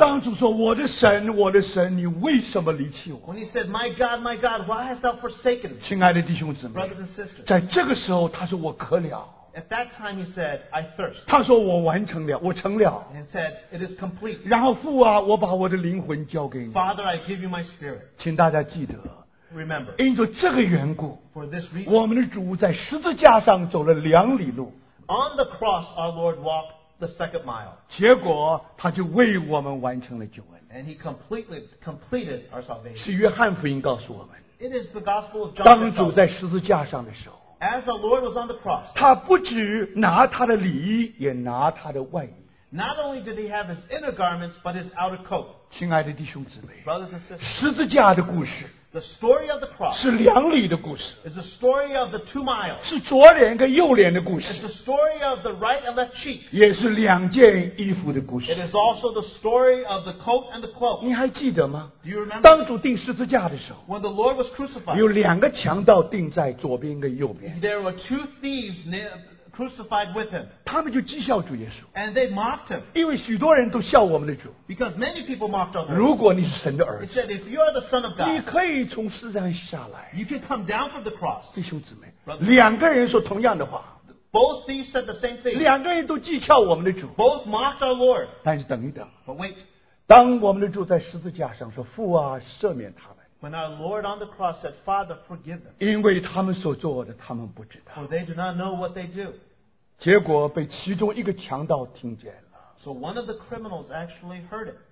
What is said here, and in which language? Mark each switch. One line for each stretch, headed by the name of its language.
Chinese: 当主说, 我的神, 我的神, 你为什么离弃我?
English: When he said, my God, why hast thou forsaken me?
Chinese: 亲爱的弟兄姊妹,
English: brothers and sisters,
Chinese: 在这个时候, 他说我渴了。
English: At that time he said, I thirst.
Chinese: 他说我完成了, 我成了。
English: And said, it is complete.
Chinese: 然后父啊, 我把我的灵魂交给你。
English: Father, I give you my spirit.
Chinese: 请大家记得,
English: remember,
Chinese: 因着这个缘故,
English: for this reason,
Chinese: 我们的主在十字架上走了两里路,
English: on the cross our Lord walked the second mile,
Chinese: 结果他就为我们完成了救恩,
English: and he completed our salvation.
Chinese: 是约翰福音告诉我们,
English: it is the gospel of John.
Chinese: 当主在十字架上的时候,
English: as our Lord was on the cross,
Chinese: 他不只拿他的里衣, 也拿他的外衣,
English: not only did he have his inner garments but his outer coat.
Chinese: 亲爱的弟兄姊妹,
English: brothers and sisters,
Chinese: 十字架的故事,
English: the story of the cross,
Chinese: 是两里的故事,
English: is the story of the 2 miles,
Chinese: 是左脸跟右脸的故事,
English: is the story of the right and left cheek,
Chinese: 也是两件衣服的故事,
English: it is also the story of the coat and the cloak.
Chinese: 你还记得吗?
English: Do you remember?
Chinese: 当主钉十字架的时候,
English: when the Lord was crucified,
Chinese: 有两个强盗钉在左边跟右边,
English: there were 2 thieves crucified with him.
Chinese: 他们就讥笑主耶稣,
English: and they mocked him.
Chinese: 因为许多人都笑我们的主,
English: because many people mocked our Lord.
Chinese: 如果你是神的儿子,
English: he said, if you are the son of God,
Chinese: 你可以从十字架下来,
English: you can come down from the cross.
Chinese: 弟兄姊妹, 两个人说同样的话,
English: both thieves said the same thing.
Chinese: 两个人都讥笑我们的主,
English: both mocked our Lord.
Chinese: 但是等一等,
English: but wait.
Chinese: 当我们的主在十字架上说, 父啊, 赦免他们,
English: when our Lord on the cross said, Father, forgive them.
Chinese: 因为他们所做的,
English: for they do not know what they do.
Chinese: 结果被其中一个强盗听见了。
English: So one of the criminals actually heard it.